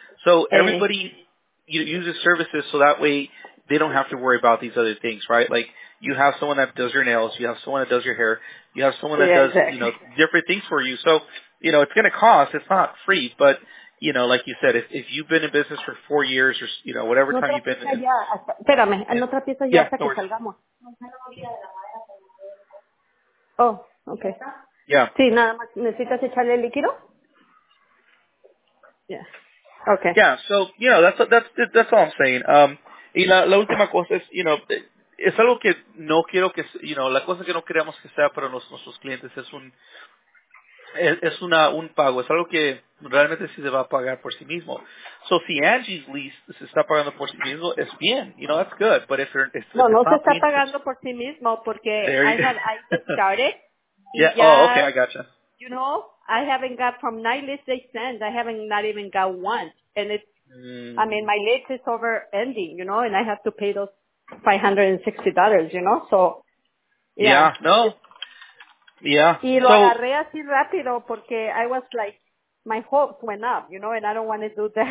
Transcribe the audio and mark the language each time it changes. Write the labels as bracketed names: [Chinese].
[English] So everybody uses services so that way they don't have to worry about these other things, right? Like you have someone that does your nails, you have someone that does your hair, you have someone that does, you know, different things for you. So, you know, it's going to cost. It's not free, but, you know, like you said, if you've been in business for 4 years or, you know, whatever time you've been in. [Spanish] Espérame, en otra pieza ya hasta que salgamos. [English] Oh, okay. Yeah. [Spanish] Sí, nada más. ¿Necesitas echarle el líquido? [English] Yeah. Okay. Yeah. So, you know, that's all I'm saying. [Spanish] Y la última cosa es, you know, es algo que no quiero que, you know, la cosa que no queremos que sea para nuestros clientes es un es un pago, es algo que realmente sí se va a pagar por sí mismo. So si Angie's lease se está pagando por sí mismo, es bien, you know, [English] that's good. But if [Spanish] no se está pagando por sí mismo porque [English] I started. Yeah. Oh, okay, I gotcha. You know, I haven't got from 9 lists they send, I haven't not even got one. And it's, I mean, my lease is over ending, you know, and I have to pay those $560, you know, so. Yeah. [Spanish] Y lo agarré así rápido porque [English] I was like, my hopes went up, you know, and I don't want to do that.